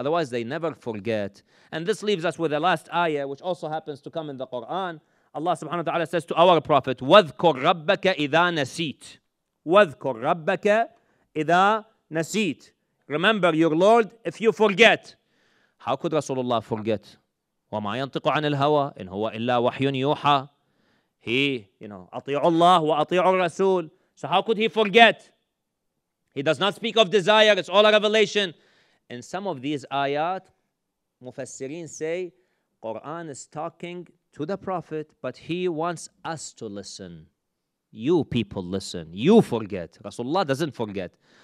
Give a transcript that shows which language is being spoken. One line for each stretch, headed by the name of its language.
English: Otherwise, they never forget. And this leaves us with the last ayah, which also happens to come in the Quran. Allah subhanahu wa ta'ala says to our Prophet,
Arabic: وَذْكُرْ رَبَّكَ إِذَا نَسِيتْ
English: وَذْكُرْ رَبَّكَ إِذَا نَسِيتْ Remember your Lord if you forget. How could Rasulullah forget?
Arabic: وَمَا يَنْطِقُ عَنِ الْهَوَىٰ إِنْ هُوَ إِلَّا وَحْيٌ يُوحَىٰ
English: He, you know,
Arabic: أَطِيعُ اللَّهُ وَأَطِيعُ الرَّسُولُ
English: So how could he forget? He does not speak of desire. It's all a revelation. In some of these ayat, Mufassirin say, Quran is talking to the Prophet, but he wants us to listen. You people listen. You forget. Rasulullah doesn't forget.